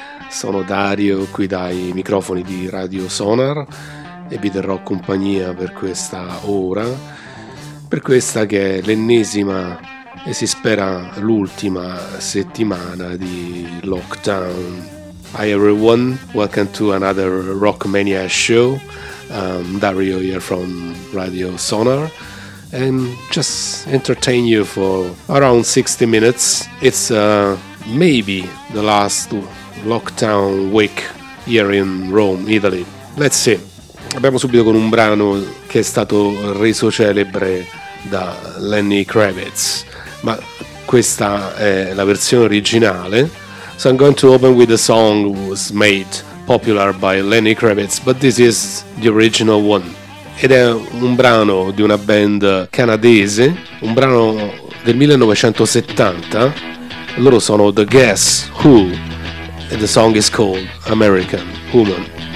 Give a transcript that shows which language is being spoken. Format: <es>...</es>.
<it>Sono Dario, qui dai microfoni di Radio Sonar, e vi terrò compagnia per questa ora, per questa che è l'ennesima e si spera l'ultima settimana di lockdown.</it> <en>Hi everyone, welcome to another Rockmania show. Dario here from Radio Sonar, and just entertain you for around 60 minutes. It's maybe the last lockdown week here in Rome, Italy. Let's see.</en> <it>Abbiamo subito con un brano che è stato reso celebre da Lenny Kravitz, ma questa è la versione originale.</it> <en>So I'm going to open with a song was made popular by Lenny Kravitz, but this is the original one.</en> <it>Ed è un brano di una band canadese, un brano del 1970. Loro sono</it> <en>The Guess Who, and the song is called American Woman.</en>